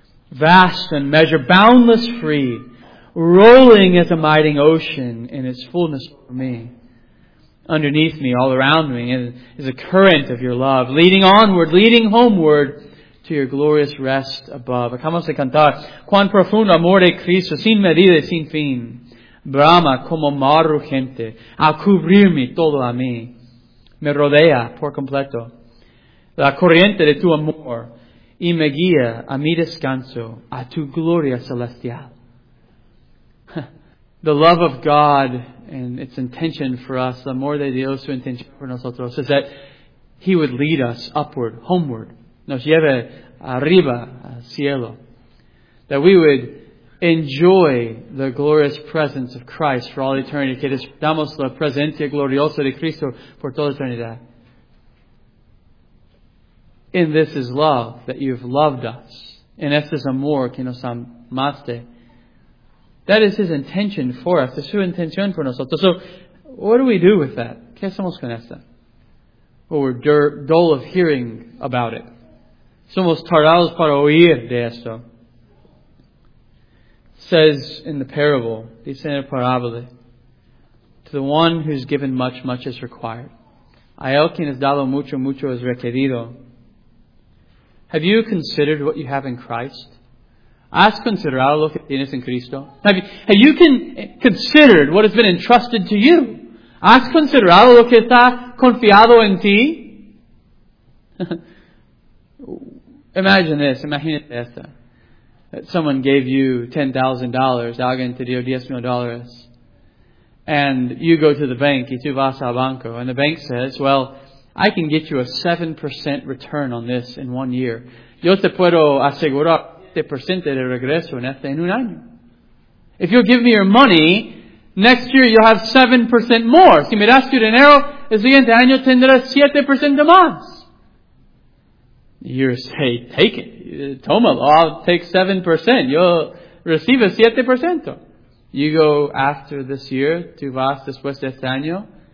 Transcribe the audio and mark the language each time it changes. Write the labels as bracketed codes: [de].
[en] Vast in measure, boundless free, rolling as a mighty ocean in its fullness for me. Underneath me, all around me, is a current of your love, leading onward, leading homeward to your glorious rest above. [es] Acabamos de cantar, cuán profundo amor de Cristo, sin medida y sin fin. Brahma como mar rugiente, a cubrirme todo a mí, me rodea por completo, la corriente de tu amor, y me guía a mi descanso, a tu gloria celestial. [en] The love of God and its intention for us, the [es] amor de Dios su intención [en] for nosotros, is that he would lead us upward, homeward, [es] nos lleve arriba, al cielo, [en] that we would enjoy the glorious presence of Christ for all eternity. [es] Que disfrutamos la presencia gloriosa de Cristo por toda eternidad. [en] In this is love, that you've loved us. [es] En este es amor que nos amaste. [en] That is his intention for us. [es] Es su intención por nosotros. [en] So, what do we do with that? [es] ¿Qué hacemos con esta? [en] Well, we're dull of hearing about it. [es] Somos tardados para oír de esto. [en] Says in the parable, [es] dice en la parábola, [en] to the one who's given much, much is required. [es] A él quien es dado mucho, mucho es requerido. [en] Have you considered what you have in Christ? [es] ¿Has considerado lo que tienes en Cristo? [en] Have you considered what has been entrusted to you? [es] ¿Has considerado lo que está confiado en ti? Imagínate esto. [en] That someone gave you $10,000, [es] alguien te dio $10,000, [en] and you go to the bank, [es] y tú vas al banco, [en] and the bank says, well, I can get you a 7% return on this in 1 year. [es] yo te puedo asegurar te presente de regreso en un año. [en] If you'll give me your money, next year you'll have 7% more. [es] Si me das tu dinero, el siguiente año tendrás 7% más. [en] You say, take it. [es] Tómalo, [en] I'll take 7%. You'll receive a 7%. You go after this year, [es] tú vas después de este año.